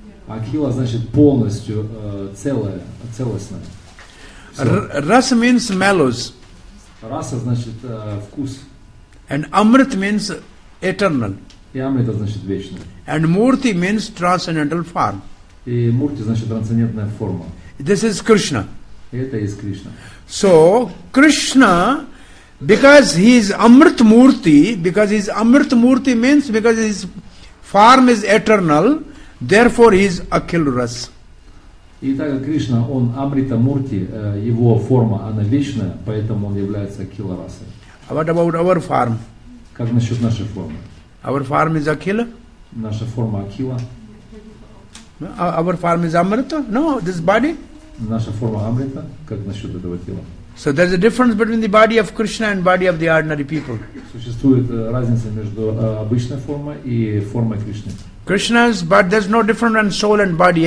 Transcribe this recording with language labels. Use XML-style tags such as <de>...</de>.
<ru>Akhila значит полностью, целое, целостное.</ru> <en>Rasa means mellows.</en> <ru>Rasa значит вкус.</ru> <en>And Amrit means eternal.</en> <ru>И Амрита значит вечное.</ru> <en>And Murti means transcendental form.</en> <ru>И Murti значит трансцендентная форма.</ru> <en>This is Krishna.</en> <ru>Это есть Кришна.</ru> <en>So, Krishna, because he is Amrit Murti, because he is Amrit Murti means because his form is eternal, therefore he is Akhilras.</en> <ru>И так как Кришна, он Амрита Мурти, его форма, она вечная, поэтому он является Акхиларасой.</ru> <en>А what about our form?</en> <ru>Как насчет нашей формы?</ru> <en>Our form is Akhila?</en> <ru>Наша форма Акхила.</ru> <en>Our form is Amrita? No, this body?</en> <ru>Наша форма Амрита? Как насчет этого тела?</ru> <en>So there's a difference between the body of Krishna and body of the ordinary people.</en> <ru>Существует разница между обычной формой и формой Кришны.</ru> <en>Krishna's, but there's no difference in soul and body.</en>